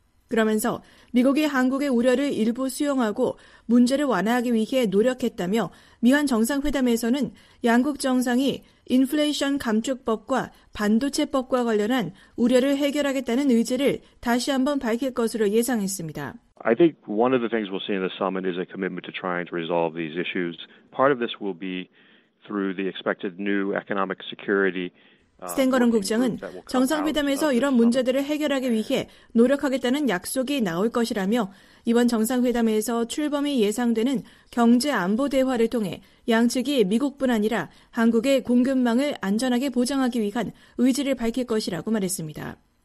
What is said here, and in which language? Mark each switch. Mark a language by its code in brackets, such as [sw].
[ko] 그러면서 미국이 한국의 우려를 일부 수용하고 문제를 완화하기 위해 노력했다며 미한 정상회담에서는 양국 정상이 인플레이션 감축법과 반도체법과 관련한 우려를 해결하겠다는 의지를 다시 한번 밝힐 것으로 예상했습니다. [en] I think one of the things we'll see in the summit is a commitment to trying to resolve these issues. Part of this will be through the expected new economic security. [ko] 스탠 거런 국장은 정상회담에서 이런 문제들을 해결하기 위해 노력하겠다는 약속이 나올 것이라며 이번 정상회담에서 출범이 예상되는 경제안보 대화를 통해 양측이 미국뿐 아니라 한국의 공급망을 안전하게 보장하기 위한 의지를 밝힐 것이라고 말했습니다.